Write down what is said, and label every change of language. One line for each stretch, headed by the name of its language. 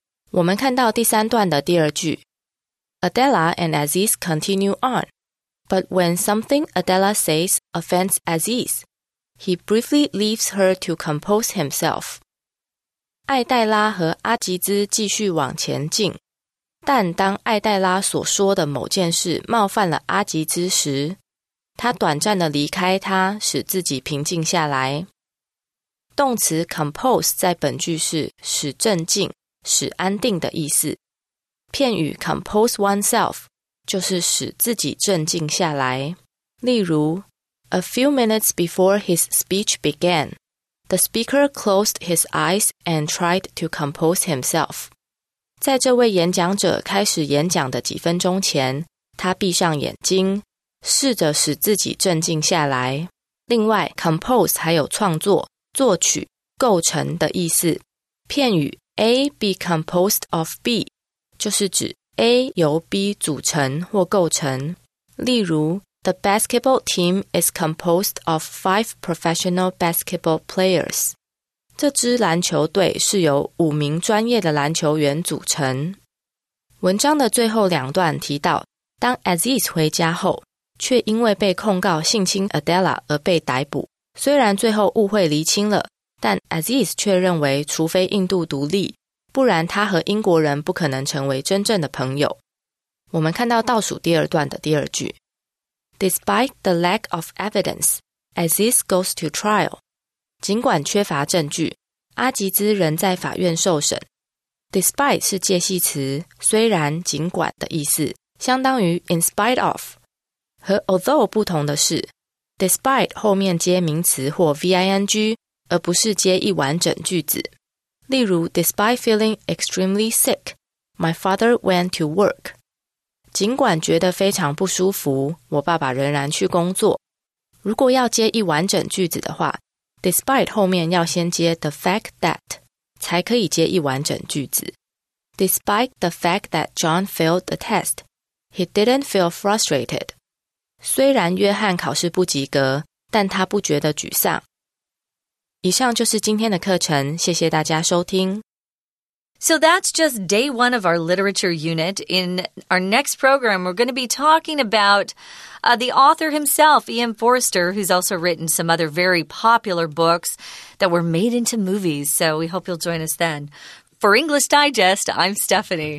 Chinese: 我们看到第三段的第二句。
English: Adela and Aziz continue on, but when something Adela says offends Aziz, he briefly leaves her to compose himself.
Chinese: 艾黛拉和阿吉兹继续往前进，但当艾黛拉所说的某件事冒犯了阿吉兹时，他短暂的离开他，使自己平静下来。动词 compose 在本句是使镇静、使安定的意思。片语 compose oneself 就是使自己镇静下来。
English: 例如 A few minutes before his speech began, the speaker closed his eyes and tried to compose himself.
Chinese: 在这位演讲者开始演讲的几分钟前，他闭上眼睛，试着使自己镇静下来。另外 compose 还有创作、作曲、构成的意思。片语 A be composed of B,就是指 A 由 B 组成或构成。
English: 例如 The basketball team is composed of 5 professional basketball players.
Chinese: 这支篮球队是由五名专业的篮球员组成。文章的最后两段提到，当 Aziz 回家后，却因为被控告性侵 Adela 而被逮捕。虽然最后误会厘清了，但 Aziz 却认为除非印度独立，不然他和英国人不可能成为真正的朋友。我们看到倒数第二段的第二句。
English: Despite the lack of evidence, Aziz goes to trial.
Chinese: 尽管缺乏证据，阿吉兹仍在法院受审。 Despite 是介系词，虽然、尽管的意思，相当于 in spite of。和 although 不同的是 ,despite 后面接名词或 ving, 而不是接一完整句子。
English: 例如 Despite feeling extremely sick, my father went to work.
Chinese: 尽管觉得非常不舒服，我爸爸仍然去工作。如果要接一完整句子的话， Despite 后面要先接 the fact that, 才可以接一完整句子。
English: Despite the fact that John failed the test, he didn't feel frustrated.
Chinese: 虽然约翰考试不及格，但他不觉得沮丧。以上就是今天的课程，谢谢大家收听。
English: So that's just day one of our literature unit. In our next program, we're going to be talking about the author himself, Ian Forster, who's also written some other very popular books that were made into movies. So we hope you'll join us then. For English Digest, I'm Stephanie.